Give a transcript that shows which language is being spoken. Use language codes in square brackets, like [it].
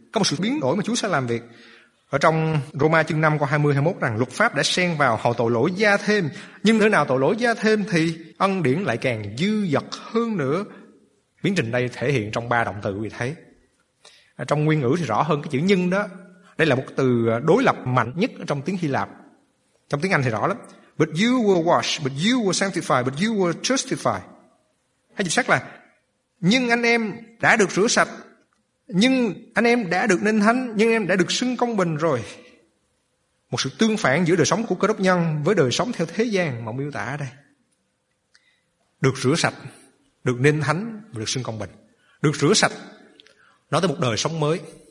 [vi] Có một sự biến đổi mà Chúa sẽ làm việc. Ở trong Roma chương 5 câu 20-21 rằng luật pháp đã xen vào hầu tội lỗi gia thêm. Nhưng thế nào tội lỗi gia thêm thì ân điển lại càng dư dật hơn nữa. Biến trình đây thể hiện trong ba động từ quý vị thấy. Ở trong nguyên ngữ thì rõ hơn cái chữ nhưng đó. Đây là một từ đối lập mạnh nhất trong tiếng Hy Lạp. Trong tiếng Anh thì rõ lắm. [en] But you were washed, but you were sanctified, but you were justified. [vi] Hay dịch sát là nhưng anh em đã được rửa sạch, nhưng anh em đã được nên thánh, nhưng anh em đã được xưng công bình rồi. Một sự tương phản giữa đời sống của cơ đốc nhân với đời sống theo thế gian mà miêu tả ở đây. Được rửa sạch, được nên thánh và được xưng công bình. Được rửa sạch nói tới một đời sống mới.